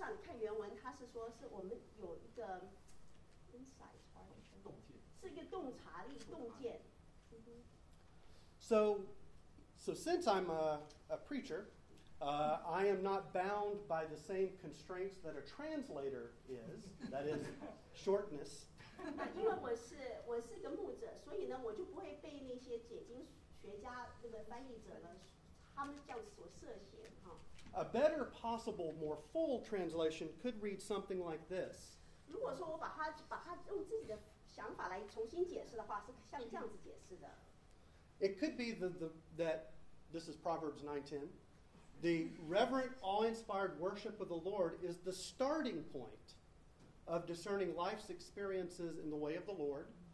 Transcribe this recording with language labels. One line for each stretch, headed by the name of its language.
Chinese: 那个聪明呢？事实上，你看原文，它是说是我们有一个 insight， 是一个洞察力、洞见。
English: So since I'm a preacher, I am not bound by the same constraints that a translator is. That is shortness.
Chinese: 因为我是一个牧者，所以呢，我就不会被那些解经学家、那个翻译者呢，他们这样所设限哈。
English: A better possible, more full translation could read something like this.
Chinese: 如果说我把它用自己的想法来重新解释的话，是像这样子解释的。
English: It could be that this is Proverbs 9:10. The reverent, awe-inspired worship of the Lord is the starting point of discerning life's experiences in the way of the Lord.